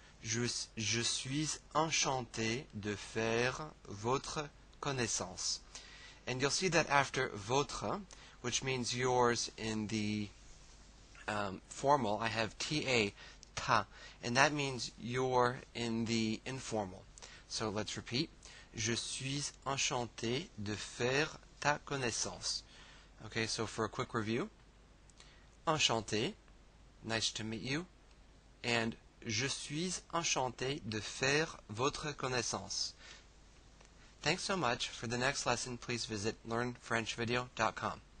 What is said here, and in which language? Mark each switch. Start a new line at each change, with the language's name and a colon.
French: Je suis enchanté de faire votre connaissance.
English: And you'll see that after votre, which means yours in the formal, I have T-A, ta, and that means your in the informal. So let's repeat.
French: Je suis enchanté de faire ta connaissance.
English: Okay, so for a quick review. Enchanté, nice to meet you.
French: And je suis enchanté de faire votre connaissance.
English: Thanks so much. For the next lesson, please visit LearnFrenchVideo.com.